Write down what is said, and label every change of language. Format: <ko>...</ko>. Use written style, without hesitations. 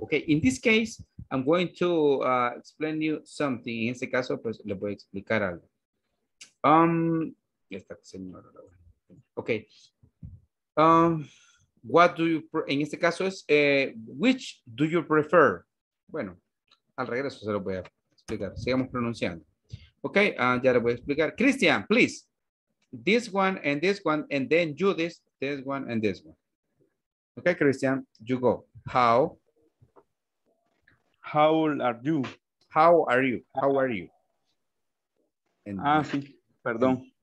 <en>Okay, in this case, I'm going to explain you something.</en> <es>En este caso, pues, le voy a explicar algo. Esta señora.</es> <en>Okay. What do you,</en> <es>en este caso es,</es> <en>which do you prefer?</en> <es>Bueno, al regreso se lo voy a explicar. Sigamos pronunciando. Okay, ya le voy a explicar. Christian, please.</es> <en>This one, and then Judith, this one, and this one. Okay, Christian, you go. How? How are you? How are you? How are you?</en> <es>And, sí, perdón.</es>